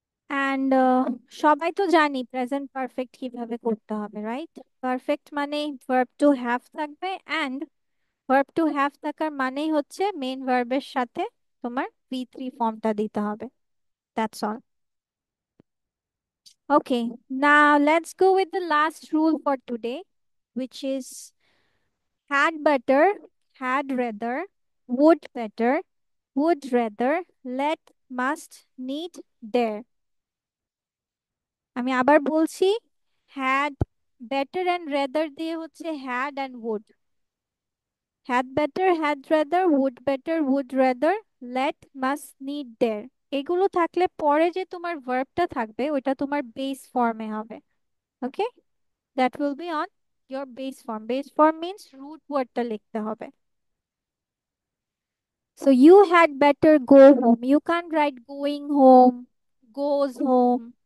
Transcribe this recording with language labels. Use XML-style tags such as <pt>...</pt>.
<bn>And সবাই তো জানি প্রেজেন্ট পারফেক্ট কিভাবে করতে হবে, রাইট? পারফেক্ট মানে ভার্ব টু হ্যাভ থাকবে, অ্যান্ড ভার্ব টু হ্যাভ থাকার মানেই হচ্ছে মেইন ভার্বের সাথে তোমার V3 ফর্মটা দিতে হবে,</bn> <en>That's all. Okay, now let's go with the last rule for today, which is had better, had rather, would better, would rather, let, must, need, there.</en> <bn>আমি আবার বলছি, had better and rather দিয়ে হচ্ছে had and would.</bn> <en>had better, had rather, would better, would rather, let, must, need, there.</en> <bn>এগুলো থাকলে পরে যে তোমার ভার্বটা থাকবে ওইটা তোমার বেস ফর্মে হবে।</bn> <en>Okay, that will be on your base form. Base form means</en> <bn>root ওয়ার্ডটা লিখতে হবে।</bn> <en>So you had better go home, you can write going home, goes home.</en>